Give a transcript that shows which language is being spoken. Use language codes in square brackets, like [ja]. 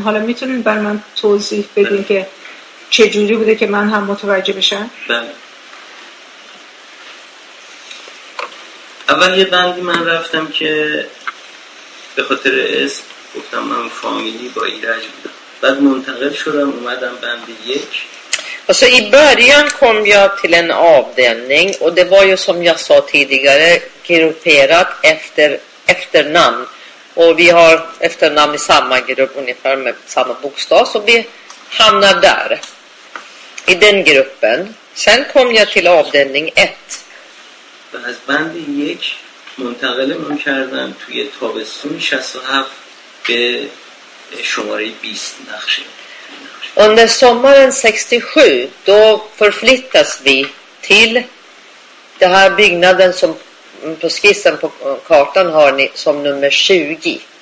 [fa] حالا میتونین بر من توضیح بدین که چه جوری بوده که من هم متوجه بشم؟ بله. اول یه بندی من رفتم که به خاطر اسم گفتم من فامیلی با ایرج بودم. بعد منتقل شدم اومدم بند 1. [sv] Alltså i början kom jag till en avdelning och det var ju som jag sa tidigare grupperat efter namn. Och vi har efternamn i samma grupp ungefär med samma bokstav. Så vi hamnar där. I den gruppen. Sen kom jag till avdelning 1. Från band 1 [fa] منتقل من کردم توی تابستون 67 به شماره 20 نقش. [sv] Under sommaren 67 då förflyttas vi till den här byggnaden som på skissen på kartan har ni som nummer 20.